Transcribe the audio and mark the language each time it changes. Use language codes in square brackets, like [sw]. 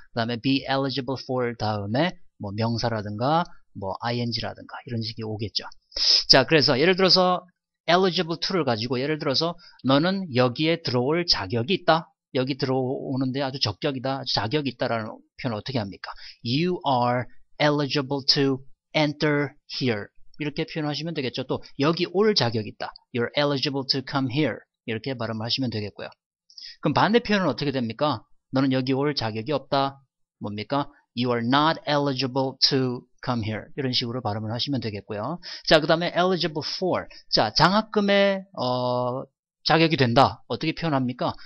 [ko] 그 다음에 be eligible for 다음에 뭐 명사라든가 뭐 ing라든가 이런 식이 오겠죠. 자, 그래서 예를 들어서 eligible to를 가지고 예를 들어서 너는 여기에 들어올 자격이 있다. 여기 들어오는데 아주 적격이다. 아주 자격이 있다라는 표현을 어떻게 합니까? [en] You are eligible to enter here. [ko] 이렇게 표현하시면 되겠죠. 또 여기 올 자격이 있다. [en] You're eligible to come here. [ko] 이렇게 발음하시면 되겠고요. 그럼 반대 표현은 어떻게 됩니까? 너는 여기 올 자격이 없다. 뭡니까? [en] You are not eligible to come here. [ko] 이런 식으로 발음을 하시면 되겠고요. 자, 그 다음에 eligible for. 자, 장학금에 자격이 된다. 어떻게 표현합니까?